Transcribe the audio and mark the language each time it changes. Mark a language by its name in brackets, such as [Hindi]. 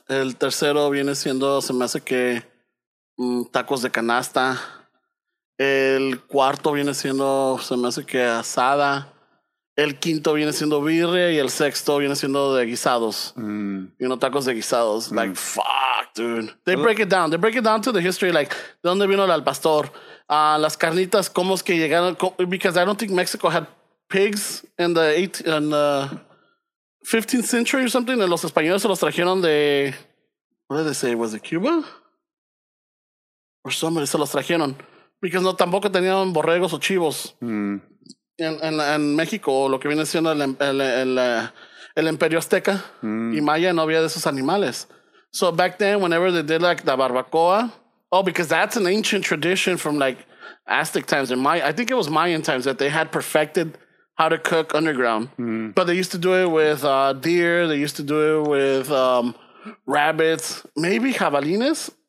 [Spanish] El tercero viene siendo, se me hace que... tacos de canasta. El cuarto viene siendo, se me hace que asada. El quinto viene siendo birria y el sexto viene siendo de guisados. Mm. [English] You know, tacos de guisados. Mm. Like, fuck, dude. They break it down. They break it down to the history. Like, [Spanish] ¿de dónde vino el al pastor? Las carnitas, ¿cómo es que llegaron? [English] Because I don't think Mexico had pigs in the 15th century or something. And [Spanish] los españoles se los trajeron de... [English] What did they say? Was it Cuba? Or somebody [Spanish] se los trajeron. [English] Because [Spanish] no, tampoco tenían borregos o chivos. Mm. En México, lo que viene siendo el Imperio Azteca y Maya, no había de esos animales. [English] So back then, whenever they did like the barbacoa, oh, because that's an ancient tradition from like Aztec times and Maya. I think it was Mayan times that they had perfected how to cook underground. Mm. But they used to do it with deer. They used to do it with rabbits, maybe jabalines.